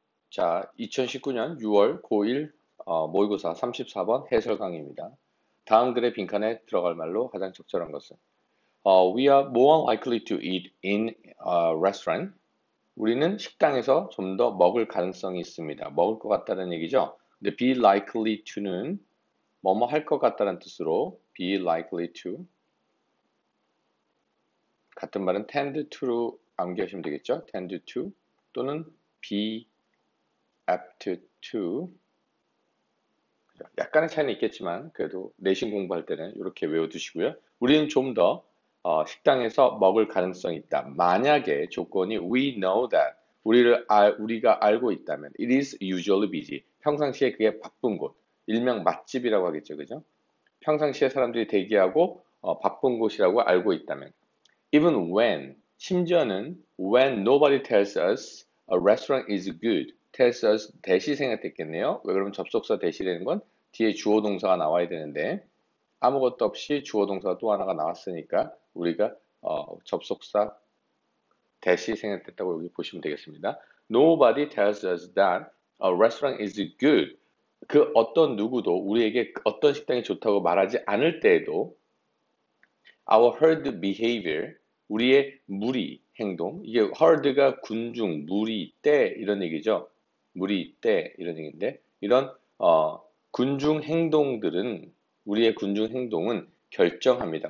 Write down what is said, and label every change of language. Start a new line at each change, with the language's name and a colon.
Korean: 자, 2019년 6월 고1 모의고사 34번 해설 강의입니다. 다음 글의 빈칸에 들어갈 말로 가장 적절한 것은
English: We are more likely to eat in a restaurant.
Korean: 우리는 식당에서 좀더 먹을 가능성이 있습니다. 먹을 것 같다는 얘기죠. 근데 be likely to는 뭐뭐 할것 같다는 뜻으로 be likely to 같은 말은 tend to로 암기하시면 되겠죠. tend to 또는 be apt to 약간의 차이는 있겠지만 그래도 내신 공부할 때는 이렇게 외워두시고요. 우리는 좀더 식당에서 먹을 가능성이 있다. 만약에 조건이
English: we know that
Korean: 우리가 알고 있다면
English: it is usually busy.
Korean: 평상시에 그게 바쁜 곳, 일명 맛집이라고 하겠죠, 그죠? 평상시에 사람들이 대기하고 바쁜 곳이라고 알고 있다면
English: even when
Korean: 심지어는
English: when nobody tells us a restaurant is good.
Korean: tells us 대시 생략됐겠네요. 왜 그러면 접속사 대시라는 건 뒤에 주어 동사가 나와야 되는데 아무것도 없이 주어 동사가 또 하나가 나왔으니까 우리가 접속사 대시 생략됐다고 여기 보시면 되겠습니다.
English: Nobody tells us that a restaurant is good.
Korean: 그 어떤 누구도 우리에게 어떤 식당이 좋다고 말하지 않을 때에도
English: our herd behavior
Korean: 우리의 무리 행동 이게 herd가 군중 무리 떼 이런 얘기죠. 무리 때 이런 얘기인데 이런 군중 행동들은 우리의 군중 행동은 결정합니다.